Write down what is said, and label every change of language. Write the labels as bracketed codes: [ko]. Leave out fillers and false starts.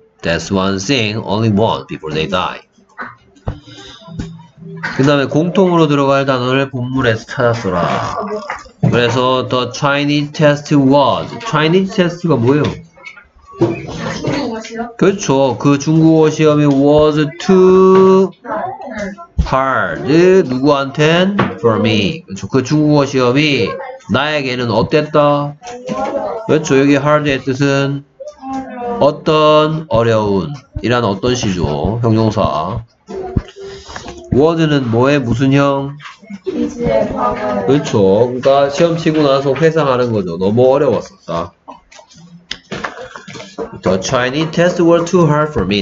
[en] That swans sing only once before they die. [ko] 그 다음에 공통으로 들어갈 단어를 본문에서 찾았어라. 그래서 [en] the Chinese test was. Chinese test가 [ko] 뭐예요? 중국어 시험? 그렇죠. 그 중국어 시험이 [en] was too hard. [ko] 누구한테? [en] For me. [ko] 그렇죠. 그 중국어 시험이 나에게는 어땠다? 그렇죠. 여기 hard의 뜻은 어떤 어려운 이란 어떤 시죠. 형용사. was는 뭐의 무슨 형? 그렇죠. 그러니까 시험 치고 나서 회상하는 거죠. 너무 어려웠었다. [en] The Chinese test was too hard for me.